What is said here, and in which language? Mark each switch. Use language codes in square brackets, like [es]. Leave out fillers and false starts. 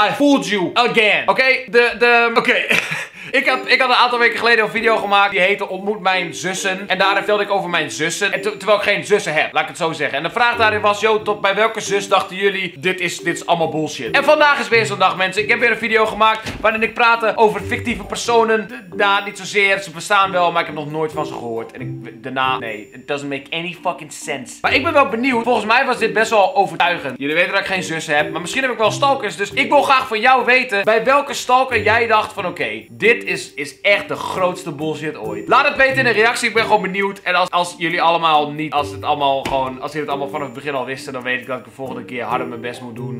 [en] I fooled you again. [nl] Oké. Ik had een aantal weken geleden een video gemaakt die heette Ontmoet Mijn Zussen. En daarin vertelde ik over mijn zussen. Terwijl ik geen zussen heb, laat ik het zo zeggen. En de vraag daarin was, yo, tot bij welke zus dachten jullie, dit is allemaal bullshit. En vandaag is weer zo'n dag, mensen. Ik heb weer een video gemaakt waarin ik praatte over fictieve personen. Nou, niet zozeer. Ze bestaan wel, maar ik heb nog nooit van ze gehoord. En nee, [en] it doesn't make any fucking sense. [nl] Maar ik ben wel benieuwd. Volgens mij was dit best wel overtuigend. Jullie weten dat ik geen zussen heb, maar misschien heb ik wel stalkers. Dus ik wil graag van jou weten, bij welke stalker jij dacht van, oké, dit is echt de grootste bullshit ooit. Laat het weten in de reactie, ik ben gewoon benieuwd. En als jullie allemaal niet, als jullie het allemaal vanaf het begin al wisten, dan weet ik dat ik de volgende keer harder mijn best moet doen.